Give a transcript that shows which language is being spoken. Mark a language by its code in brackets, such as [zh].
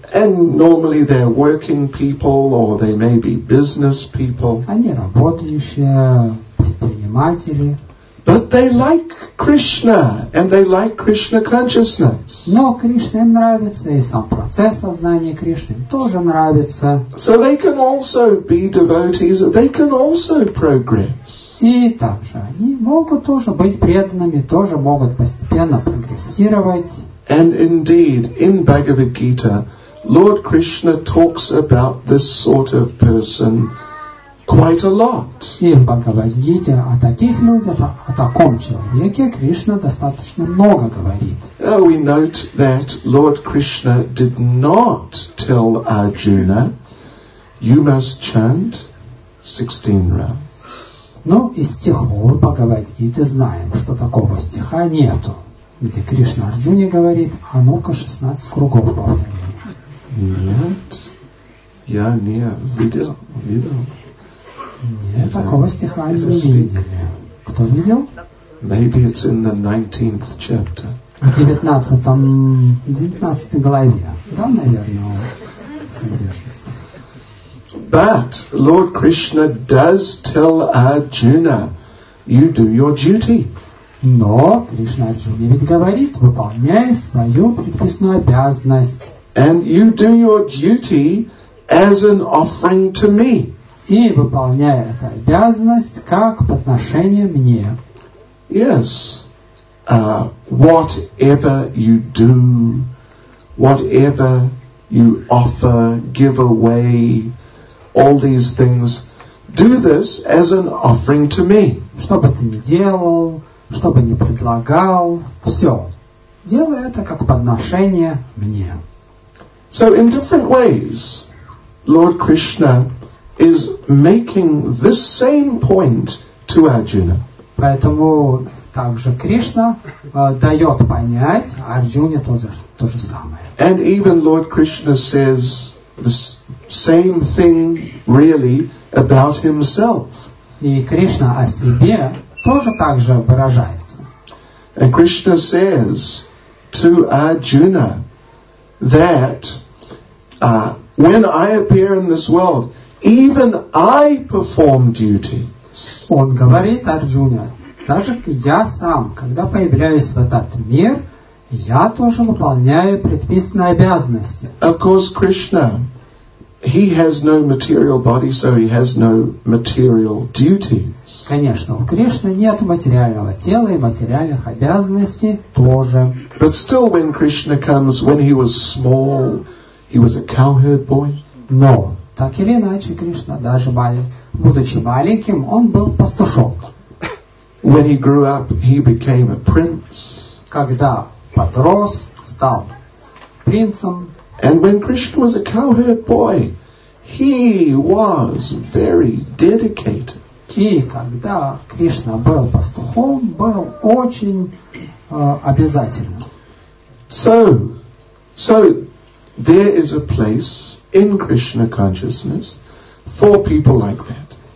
[en] And normally they're working people or they may be business people. [ru] Они работающие предприниматели. [en] But they like Krishna and they like Krishna consciousness. [ru] Но Кришне нравится и сам процесс сознания Кришны тоже нравится. [en] So they can also be devotees, they can also progress. [ru] И также они могут тоже быть преданными, тоже могут постепенно прогрессировать. [en] And indeed, in Bhagavad Gita, Lord Krishna talks about this sort of person quite a lot. [ru] И в Бхагавад-гите о таких людях, о таком человеке Кришна достаточно много говорит. [en] We note that Lord Krishna did not tell Arjuna, you must chant 16 rounds. [ru] Ну, из стихов Бхагавад-гиты знаем, что такого стиха нету, где Кришна Арджуне говорит, а ну-ка 16 кругов повтори. Нет, я не видел. Нет, такого стиха не видели. Кто видел? [en] Maybe it's in the 19th chapter. [ru] В 19 главе. Да, наверное, он содержится. [en] But Lord Krishna does tell Arjuna, you do your duty. [ru] Но Кришна Арджуне ведь говорит, выполняй свою предписную обязанность. [en] And you do your duty as an offering to me. [ru] И выполняй эту обязанность как подношение мне. [en] Yes. Whatever you do, whatever you offer, give away, all these things, do this as an offering to me. [ru] Что бы ты ни делал, что бы ни предлагал, все, делай это как подношение мне. [en] So in different ways, Lord Krishna is making this same point to Arjuna. [ru] Поэтому также Кришна дает понять Арджуне то же самое. [en] And even Lord Krishna says the same thing really about himself. [ru] И Кришна о себе тоже так же выражается. [en] And Krishna says to Arjuna that when I appear in this world, even I perform duties. [ru] Он говорит Арджуне, даже я сам, когда появляюсь в этот мир, я тоже выполняю предписанные обязанности. [en] Of course, Krishna, he has no material body, so he has no material duties. [ru] Конечно, у Кришны нет материального тела и материальных обязанностей тоже. [en] But still, when Krishna comes, when he was small, he was a cowherd boy. [ru] Но так или иначе, Кришна, даже будучи маленьким, он был пастушок. [en] When he grew up, he became a prince. [ru] Когда подрос, стал принцем. [en] And when Krishna was a cowherd boy, he was very dedicated. [ru] И когда Кришна был пастухом, был очень обязательным. [en] So there is a place in Krishna consciousness for people like that.